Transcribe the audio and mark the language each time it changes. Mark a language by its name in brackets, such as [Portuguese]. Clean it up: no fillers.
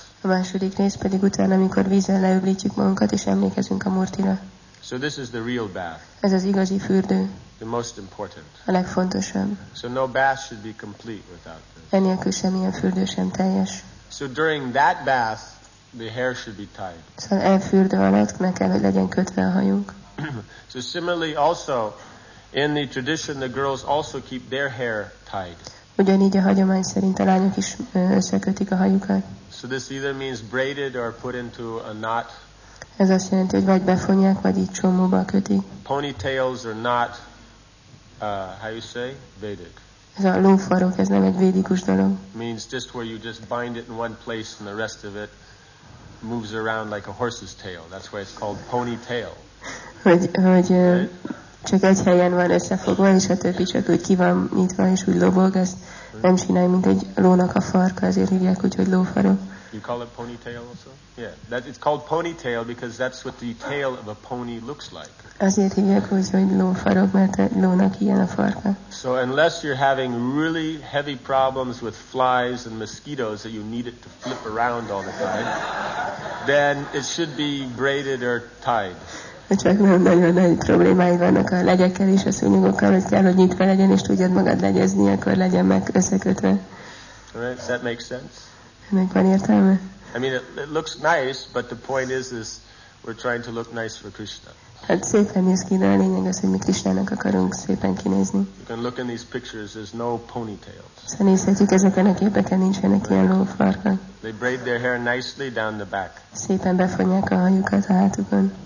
[Hungarian] A második rész pedig utána, amikor vízzel leöblítjük magunkat és emlékezünk a Murtira. [English] So this is the real bath. [Hungarian] Ez az igazi fürdő. [English] The most important. [Hungarian] A legfontosabb. [English] So no bath should be complete without this. [Hungarian] Enélkül semmilyen fürdő sem teljes. [English] So during that bath, the hair should be tied. [Hungarian] Szóval e fürdő alatt meg kell, hogy legyen kötve a hajunk. [English] So similarly also, in the tradition, the girls also keep their hair tied. [Hungarian] Ugyanígy a hagyomány szerint a lányok is összekötik a hajukat. [English] So this either means braided or put into a knot. [Hungarian] Ez azt jelenti, hogy vagy befonják, vagy így csomóba kötik. [English] Ponytails are not, how you say, Vedic. [Hungarian] Ez a lófarok, ez nem egy védikus dolog. [English] Means just where you just bind it in one place and the rest of it moves around like a horse's tail. That's why it's called ponytail. [Hungarian] Hogy right? Csak egy helyen van összefogva, és a többi csak úgy ki van nyitva, és úgy lobog, ezt nem csinálj, mint egy lónak a farka, azért hívják úgy, hogy lófarok. [English] You call it ponytail also? Yeah, that it's called ponytail because that's what the tail of a pony looks like. [Hungarian] Azért hívják, hogy lófarok, mert a lónak ilyen a farka. [English] So unless you're having really heavy problems with flies and mosquitoes that you need it to flip around all the time, then it should be braided or tied. [Hungarian] Csak nem nagyon nagy problémáid vannak a legyekkel és a szúnyogokkal, hogy kell, hogy nyitva legyen és tudjad magad legyezni, akkor legyen meg összekötve. [English] Alright, does that make sense? [Hungarian] Ennek van értelme? [English] I mean, it looks nice, but the point is we're trying to look nice for Krishna. [Hungarian] Hát szépen néz ki, de a lényeg az, hogy mi Krishnának akarunk szépen kinézni. [English] You can look in these pictures, there's no ponytails. [Hungarian] Szóval nézhetjük ezeken a képeken, nincsenek ilyen lófarkak. [English] They braid their hair nicely down the back. [Hungarian] Szépen befonják a hajukat a hátukon.